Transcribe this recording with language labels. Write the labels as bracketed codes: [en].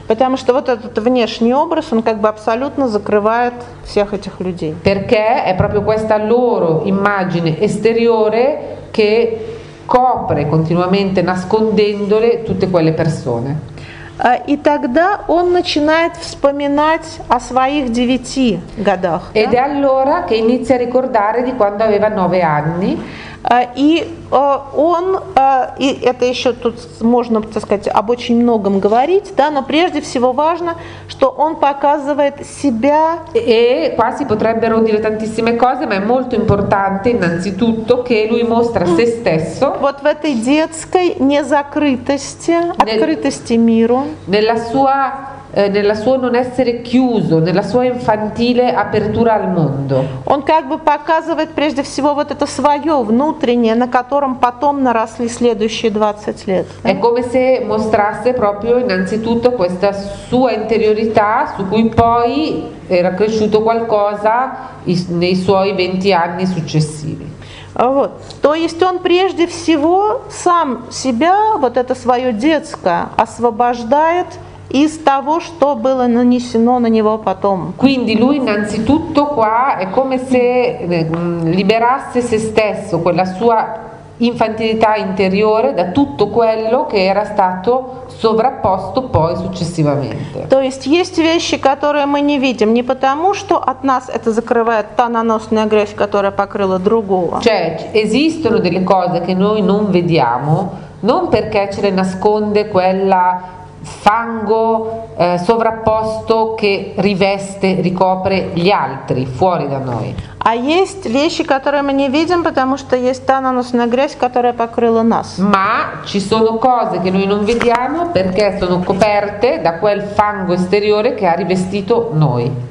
[ru] Потому что вот этот внешний образ, он как бы абсолютно закрывает всех этих людей. [it] Perché è proprio questa loro immagine esteriore che copre continuamente nascondendole tutte quelle persone. [ru] И тогда он начинает вспоминать о своих 9 годах. [it] Ed è allora che inizia a ricordare di quando aveva 9 anni. [ru] И это еще тут можно, так сказать, об очень многом говорить, да, но прежде всего важно, что он показывает себя. [it] E qua si potrebbero dire tantissime cose, ma è molto importante innanzitutto che lui mostra se stesso. [ru] Вот в этой детской незакрытости, открытости миру. [it] Nella sua non essere chiuso, nella sua infantile apertura al mondo. [ru] Он как бы показывает прежде всего вот это свое внутреннее, на котором потом наросли следующие 20 лет. [it] È come se mostrasse proprio innanzitutto questa sua interiorità su cui poi era cresciuto qualcosa nei suoi 20 anni successivi. [ru] Вот. То есть он прежде всего сам себя, вот это свое детское, освобождает из того, что было нанесено на него потом. [it] Quindi lui innanzitutto qua è come se liberasse se stesso, quella sua infantilità interiore, da tutto quello che era stato sovrapposto poi successivamente. [ru] То есть есть вещи, которые мы не видим, не потому, что от нас это закрывает та наносная грязь, которая покрыла другого. [it] Cioè, esistono delle cose che noi non vediamo, non perché ce le nasconde quella fango sovrapposto che riveste, ricopre gli altri fuori da noi. [ru] А есть вещи, которые мы не видим, потому что есть та наносная грязь, которая покрыла нас. [it] Ma ci sono cose che noi non vediamo perché sono coperte da quel fango esteriore che ha rivestito noi.